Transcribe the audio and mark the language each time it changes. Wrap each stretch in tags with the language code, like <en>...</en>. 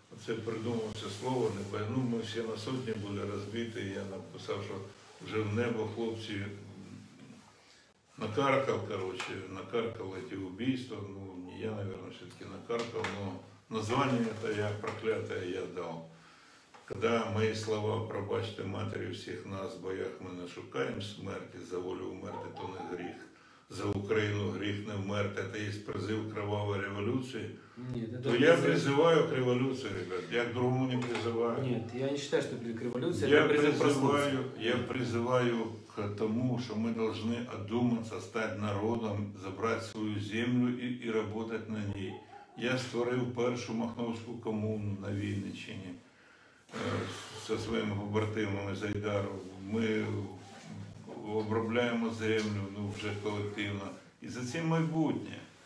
<uk>це придумав це слово, ну, ми всі на сотні були розбиті, і я написав, що вже в небо хлопці накаркав, коротше, накаркали ті вбивства, ну, не я, мабуть, все-таки накаркав, але названня це я, прокляте, я дав.</uk> <ru>Когда мои слова «Пробачте матери всех нас, в боях мы не шукаем смерти, за волю умерти, то не грех, за Украину грех не умерти», это есть призыв к кровавой революции, нет, то я призываю к революции, ребят, я к другому не призываю. Нет, я не считаю, что к революции, я призываю, призываю к тому, что мы должны одуматься, стать народом, забрать свою землю и работать на ней. Я створил первую махновскую коммуну на Вінниччині.</ru> <uk>Со своими побратимами Зайдаром, ми обробляємо землю, ну, вже колективно, і за цим майбутнє.</uk>